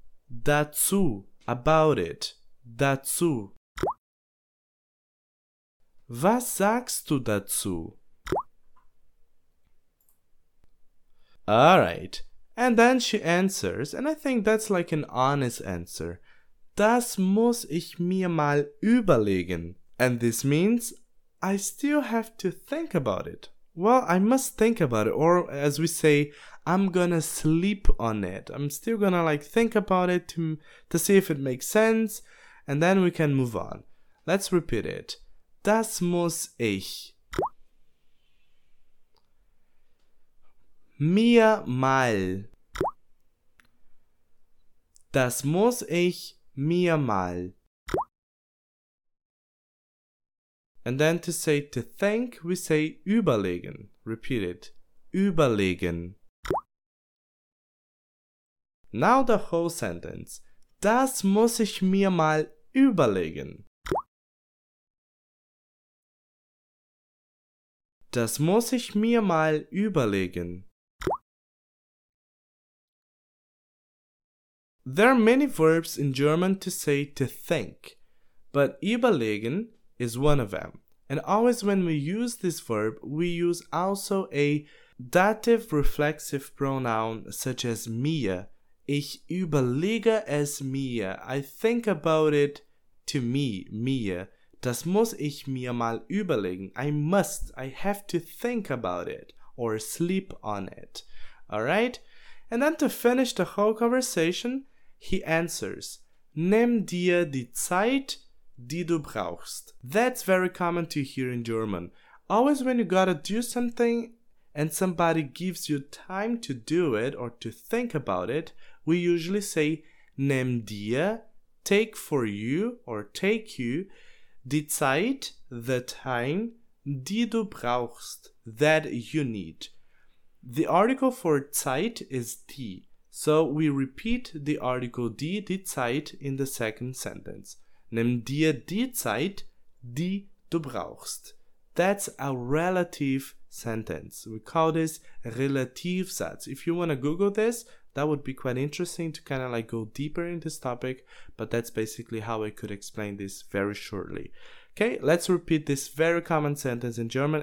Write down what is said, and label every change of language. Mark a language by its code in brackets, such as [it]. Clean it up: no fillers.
[de] Dazu, [en] about it. [de] Dazu. Was sagst du dazu? [en] Alright. And then she answers, and I think that's like an honest answer. [de] Das muss ich mir mal überlegen. [en] And this means, I still have to think about it. Well, I must think about it, or as we say, I'm gonna sleep on it. I'm still gonna like think about it to see if it makes sense, and then we can move on. Let's repeat it. [de] Das muss ich mir mal. Das muss ich mir mal. [en] And then to say to think, we say überlegen. Repeat it. [de] Überlegen. [en] Now the whole sentence. [de] Das muss ich mir mal überlegen. Das muss ich mir mal überlegen. [en] There are many verbs in German to say to think, but überlegen is one of them. And always when we use this verb, we use also a dative reflexive pronoun such as mir. [de] Ich überlege es mir. [en] I think about it to me, mir. [de] Das muss ich mir mal überlegen. [en] I have to think about it or sleep on it. Alright? And then to finish the whole conversation, he answers, [de] Nimm dir die Zeit, die du brauchst. [en] That's very common to hear in German. Always when you gotta do something and somebody gives you time to do it or to think about it, we usually say, [de] Nimm dir, [en] take for you or take you, [de] die Zeit, [en] the time, [de] die du brauchst, [en] that you need. The article for Zeit is die. So we repeat the article [de] die Zeit [en] in the second sentence. [de] Nimm dir die Zeit, die du brauchst. [en] That's a relative sentence. We call this Relativsatz. If you want to Google this, that would be quite interesting to kind of like go deeper in this topic. But that's basically how I could explain this very shortly. Okay, let's repeat this very common sentence in German.